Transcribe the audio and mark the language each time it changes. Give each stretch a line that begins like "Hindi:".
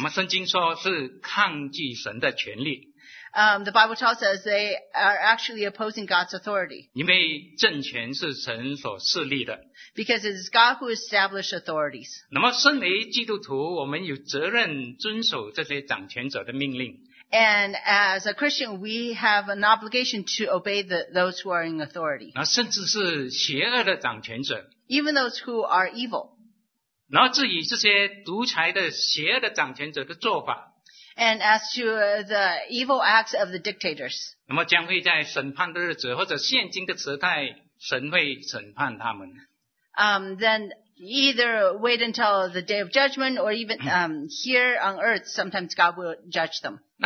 Chinese: 圣经说是抗拒神的权利。
English: The Bible tells us they are actually opposing God's authority.
Chinese: 因为政权是神所设立的。
English: Because it is God who established authorities.
Chinese: 那么身为基督徒, 我们有责任遵守这些掌权者的命令。
English: And as a Christian, we have an obligation to obey those who are in authority.
Chinese: 甚至是邪恶的掌权者。
English: Even those who are evil.
Chinese: 然后至于这些独裁的邪恶的掌权者的做法,
English: and as to the evil acts of the dictators.
Chinese: 那么将会在审判的日子或者现今的时代, 神会审判他们。
English: Then either wait until the day of judgment or even here on earth, sometimes God will judge them.